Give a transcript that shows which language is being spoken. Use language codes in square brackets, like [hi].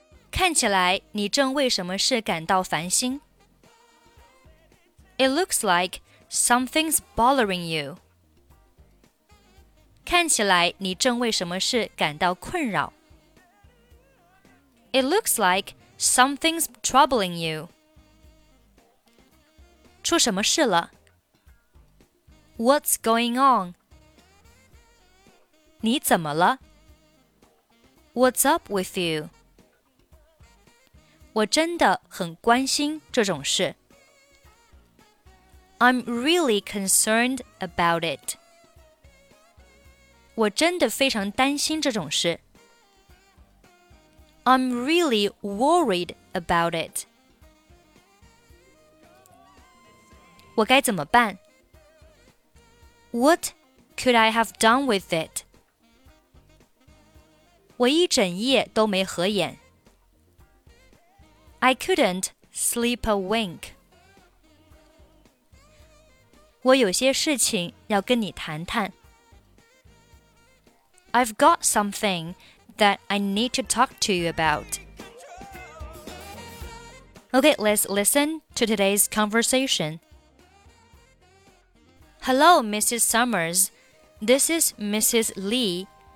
[zh] 看起来你正为什么事感到烦心? [en] It looks like something's bothering you. [zh] 看起来你正为什么事感到困扰。 [en] It looks like something's troubling you. [zh] 出什么事了? What's going on? 你怎么了? What's up with you? 我真的很关心这种事。 [en] I'm really concerned about it. [zh] 我真的非常担心这种事。 [en] I'm really worried about it. [zh] 我该怎么办? [en] What could I have done with it? [zh] 我一整夜都没合眼。 [en] I couldn't sleep a wink. [zh] 我有些事情要跟你谈谈。 [en] I've got something that I need to talk to you about. Okay, let's listen to today's conversation. Hello, Mrs. Summers. This is Mrs. Lee.